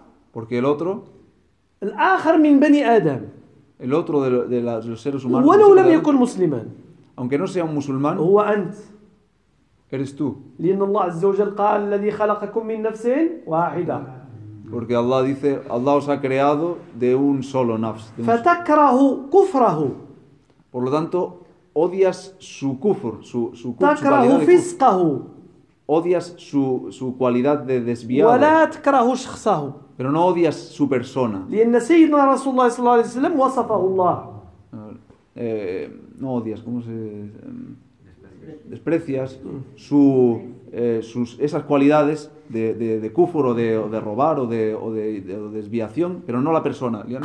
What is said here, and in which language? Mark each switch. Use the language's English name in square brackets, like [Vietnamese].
[Spanish] Porque el otro el otro de los seres humanos, [Arabic] ولو لم يكن مسلما, [Spanish] aunque no sea un musulmán, [Arabic] هو أنت, [Spanish] eres tú. [Arabic] لأن الله عز وجل قال الذي خلقكم من نفس واحدة. [Spanish] Porque Allah dice, Allah os ha creado de un solo nafs. [Arabic] فتكره كفره. [Spanish] Por lo tanto, odias su kufr, su [Arabic] كفر. تكره فسقه. [Spanish] Odias su cualidad de desviado. [Arabic] ولا تكره شخصه. [Spanish] Pero no odias su persona. [Arabic] لأن سيدنا رسول الله صلى الله عليه وسلم وصفه الله. [Spanish] No odias, ¿cómo se desprecias su sus esas cualidades de kufur o de robar o de desviación, pero no la persona.